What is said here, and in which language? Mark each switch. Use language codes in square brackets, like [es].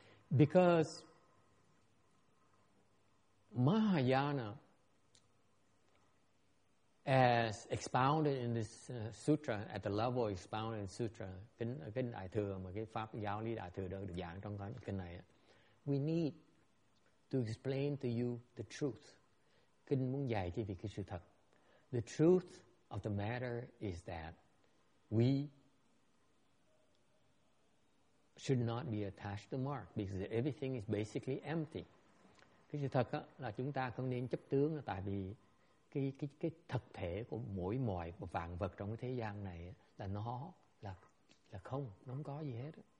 [en] Because Mahayana, as expounded in this sutra, at the level expounded in sutra, [vi] kinh đại thừa mà cái pháp giáo lý đại thừa được giảng trong cái kinh này, [en] we need to explain to you the truth. [vi] Kinh muốn dạy cho vị cái sự thật. [en] The truth of the matter is that we should not be attached to mark because everything is basically empty. [vi] Cái sự thật là chúng ta không nên chấp tướng tại vì cái thực thể của mỗi mọi vạn vật trong cái thế gian này là nó là không, nó không có gì hết.